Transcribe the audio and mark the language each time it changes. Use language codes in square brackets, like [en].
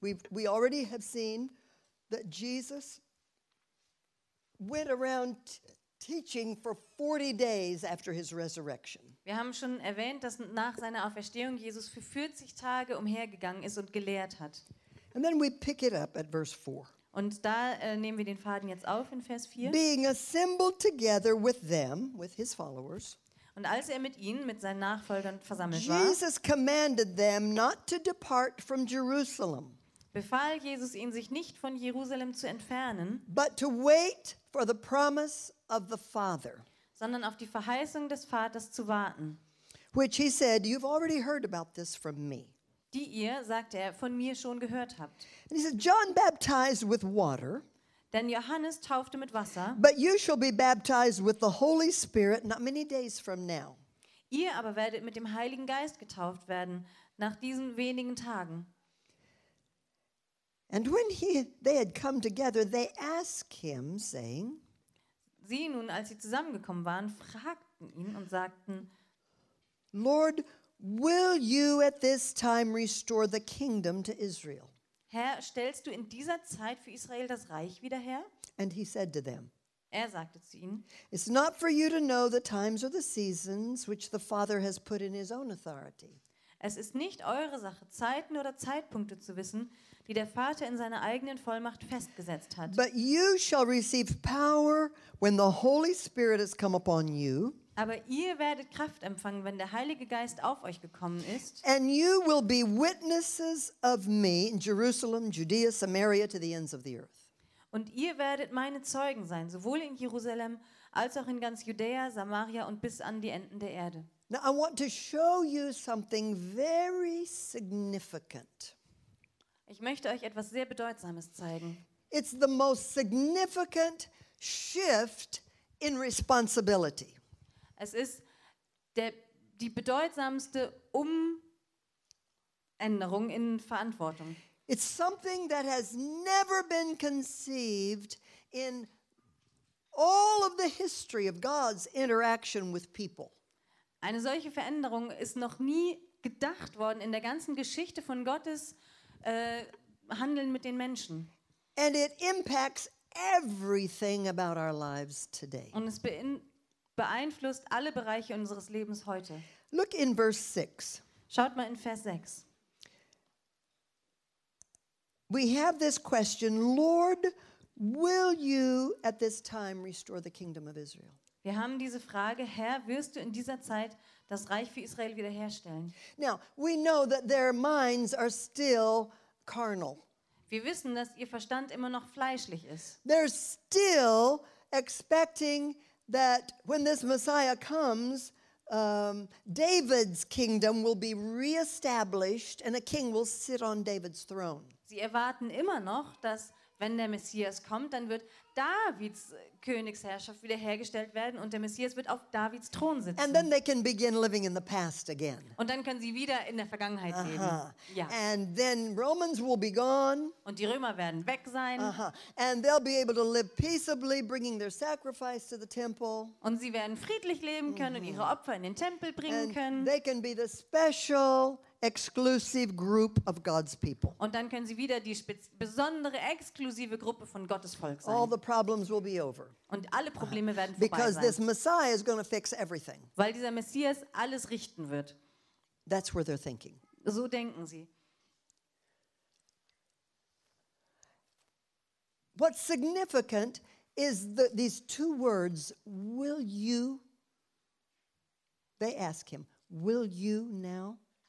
[en] We already have seen that Jesus went around teaching for 40 days after his resurrection. [de] Wir haben schon erwähnt, dass nach seiner Auferstehung Jesus für 40 Tage umhergegangen ist und gelehrt hat. [en] And then we pick it up at verse 4. [de] Und da nehmen wir den Faden jetzt auf in Vers 4. [en] Being assembled together with them, with his followers. [de] Und als er mit ihnen, mit seinen Nachfolgern versammelt war, [en] Jesus commanded them not to depart from Jerusalem. [de] Befahl Jesus ihnen, sich nicht von Jerusalem zu entfernen, [en] but to wait for the promise of the Father. [de] Sondern auf die Verheißung des Vaters zu warten. [en] Which he said, you've already heard about this from me. [de] Die ihr, sagte er, von mir schon gehört habt. [en] And he said, John baptized with water. [de] Denn Johannes taufte mit Wasser. [en] But you shall be baptized with the Holy Spirit not many days from now. [de] Ihr aber werdet mit dem Heiligen Geist getauft werden nach diesen wenigen Tagen. [en] And when they had come together, they asked him, saying, [de] sie nun, als sie zusammengekommen waren, fragten ihn und sagten, [en] Lord, will you at this time restore the kingdom to Israel? [de] Herr, stellst du in dieser Zeit für Israel das Reich wieder her? [en] And he said to them, [de] er sagte zu ihnen, [en] it's not for you to know the times or the seasons which the Father has put in his own authority. [de] Es ist nicht eure Sache, Zeiten oder Zeitpunkte zu wissen, die der Vater in seiner eigenen Vollmacht festgesetzt hat. [en] But you shall receive power when the Holy Spirit has come upon you. [de] Aber ihr werdet Kraft empfangen, wenn der Heilige Geist auf euch gekommen ist. [en] And you will be witnesses of me in Jerusalem, Judea, Samaria, to the ends of the earth. [de] Und ihr werdet meine Zeugen sein, sowohl in Jerusalem als auch in ganz Judäa, Samaria und bis an die Enden der Erde. [en] Now I want to show you something very significant. [de] Ich möchte euch etwas sehr Bedeutsames zeigen. [en] It's the most significant shift in responsibility. [de] Es ist die bedeutsamste Umänderung in Verantwortung. [en] It's something that has never been conceived in all of the history of God's interaction with people. [de] Eine solche Veränderung ist noch nie gedacht worden in der ganzen Geschichte von Gottes Handeln mit den Menschen. [en] And it impacts everything about our lives today. [de] Und es beeinflusst alle Bereiche unseres Lebens heute. [en] Look in verse 6. [de] Schaut mal in Vers 6. [en] We have this question, Lord, will you at this time restore the kingdom of Israel? [de] Wir haben diese Frage, Herr, wirst du in dieser Zeit das Reich für Israel wiederherstellen? [en] Now, we know that their minds are still carnal. [de] Wir wissen, dass ihr Verstand immer noch fleischlich ist. [en] They're still expecting that when this Messiah comes, David's kingdom will be reestablished and a king will sit on David's throne. [de] Sie erwarten immer noch, dass wenn der Messias kommt, dann wird Davids Königsherrschaft wiederhergestellt werden und der Messias wird auf Davids Thron sitzen. [en] And then they can begin living in the past again. [de] Und dann können sie wieder in der Vergangenheit leben. Ja. [en] And then Romans will be gone. [de] Und die Römer werden weg sein. [en] And they'll be able to live peaceably, bringing their sacrifice to the temple. [de] Und sie werden friedlich leben können und ihre Opfer in den Tempel bringen können. [en] They can be the special exclusive group of God's people. [de] Und dann können sie wieder die besondere exklusive Gruppe von Gottes Volk sein. [en] All the problems will be over. [de] Und alle Probleme werden vorbei [en] because [de] sein. [en] This Messiah is going to fix everything. [de] Weil dieser Messias alles richten wird. [en] That's where they're thinking. [de] So denken sie. [en] What's significant is these two words, will you? They ask him, will you now?